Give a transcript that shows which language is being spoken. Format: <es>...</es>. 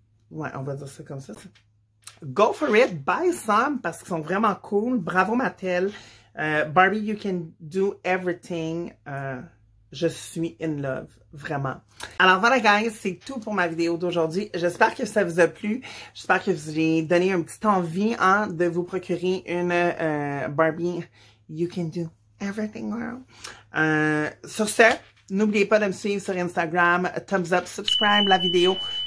<fr>Ouais, on va dire ça comme ça.</fr> <en>Go for it, buy some</en> <fr>parce qu'ils sont vraiment cool. Bravo Mattel.</fr> <en>Barbie, you can do everything.</en> <fr>Je suis in love, vraiment. Alors voilà, guys, c'est tout pour ma vidéo d'aujourd'hui. J'espère que ça vous a plu. J'espère que je vous ai donné un petit envie, hein, de vous procurer une Barbie You Can Do Everything Girl. Sur ce, n'oubliez pas de me suivre sur Instagram.</fr> <en>Thumbs up, subscribe</en> <fr>la vidéo.</fr>